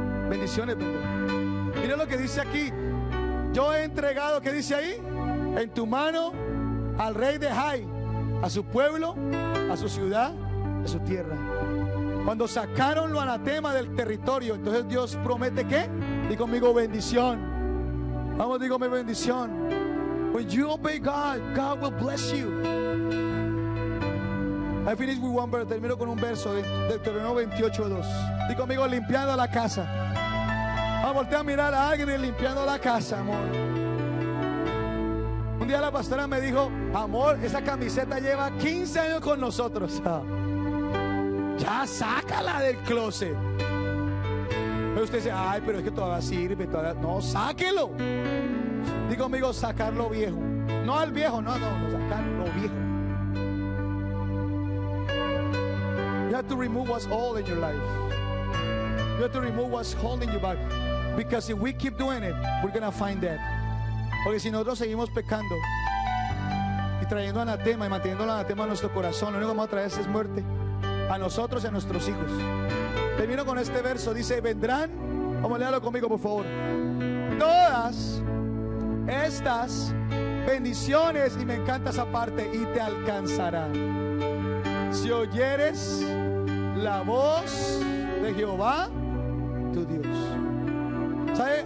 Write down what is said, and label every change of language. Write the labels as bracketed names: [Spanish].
[Spanish] Bendiciones vendrán. Mira lo que dice aquí. Yo he entregado, ¿qué dice ahí? En tu mano al rey de Hai, a su pueblo, a su ciudad, a su tierra. Cuando sacaron lo anatema del territorio, entonces Dios promete ¿qué? Y conmigo bendición. Vamos, dígame bendición. [English] When you obey God, God will bless you. I finish with one verse. [Spanish] Termino con un verso de Deuteronomio 28:2. Dí conmigo, limpiando la casa. Vamos, voltea a mirar a alguien y limpiando la casa, amor. Un día la pastora me dijo, amor, esa camiseta lleva 15 años con nosotros. Ya sácala del closet. Pero usted dice, ay, pero es que todavía sirve, todavía. No, sáquelo. Digo, amigo, sacar lo viejo. No al viejo, no, sacar lo viejo. [English] You have to remove what's old in your life. You have to remove what's holding you back. Because if we keep doing it, we're going to find that. [Spanish] Porque si nosotros seguimos pecando y trayendo anatema y manteniendo el anatema en nuestro corazón, lo único que vamos a traer es muerte a nosotros y a nuestros hijos. Termino con este verso, dice, vendrán, vamos a leerlo conmigo por favor, todas estas bendiciones, y me encanta esa parte, y te alcanzarán, si oyeres la voz de Jehová, tu Dios. ¿Sabe?